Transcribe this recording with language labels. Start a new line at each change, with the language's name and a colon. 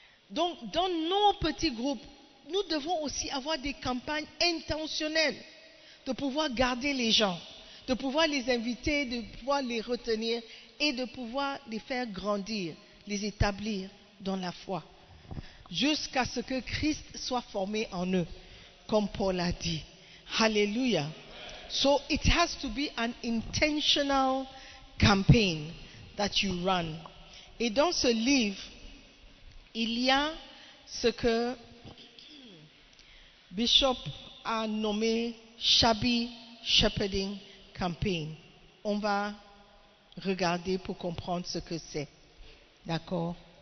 French: Donc, dans nos petits groupes, nous devons aussi avoir des campagnes intentionnelles de pouvoir garder les gens, de pouvoir les inviter, de pouvoir les retenir et de pouvoir les faire grandir, les établir dans la foi, jusqu'à ce que Christ soit formé en eux, comme Paul a dit. Alléluia.
English: So it has to be an intentional campaign that you run.
French: Et dans ce livre, il y a ce que Bishop a nommé Shabby Shepherding Campaign. On va regarder pour comprendre ce que c'est. D'accord?